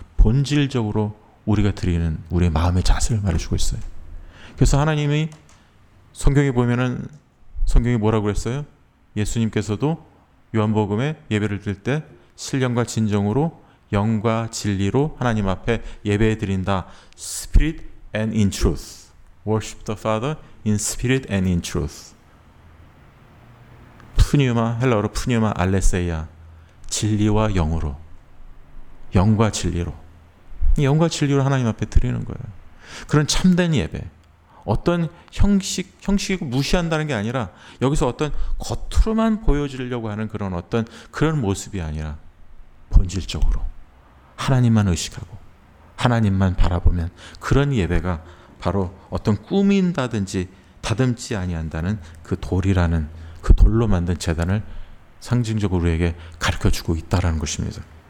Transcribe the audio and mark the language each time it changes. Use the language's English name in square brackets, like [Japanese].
[Korean] 본질적으로 우리가 드리는 우리의 마음의 자세를 말해주고 있어요. 그래서 하나님이 성경에 보면은 성경이 뭐라고 그랬어요? 예수님께서도 요한복음에 예배를 드릴 때 신령과 진정으로 영과 진리로 하나님 앞에 예배해 드린다. [English] Spirit and in truth. Worship the Father in spirit and in truth. [Korean] 푸뉴마, 헬라어로 푸뉴마 알레세야. 진리와 영으로. 영과 진리로. 영과 진리로 하나님 앞에 드리는 거예요. 그런 참된 예배. 어떤 형식을 무시한다는 게 아니라 여기서 어떤 겉으로만 보여지려고 하는 그런 어떤 그런 모습이 아니라 본질적으로 하나님만 의식하고 하나님만 바라보면 그런 예배가 바로 어떤 꾸민다든지 다듬지 아니한다는 그 돌이라는 그 돌로 만든 제단을 상징적으로 우리에게 가르쳐주고 있다라는 것입니다.